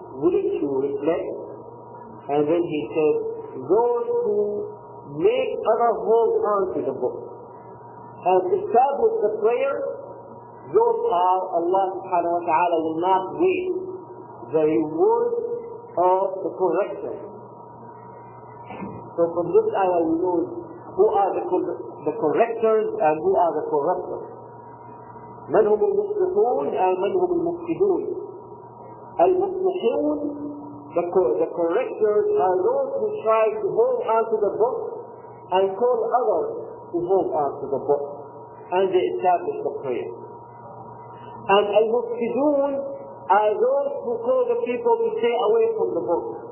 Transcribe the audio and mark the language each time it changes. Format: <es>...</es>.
<en>Wouldn't you reflect? And then he said, those who make other hold on to the book and establish the prayer, those are Allah subhanahu wa ta'ala will not waste the reward of the correction. So from this ayah we know who are the correctors and who are the corruptors.</en> <ar>من هم المصلحون and من هم المفسدون.</ar> <en>المصلحون, the correctors, are those who try to hold on to the book and call others to hold on to the book, and they establish the prayer. And al-mufsidun are those who call the people to stay away from the book.</en>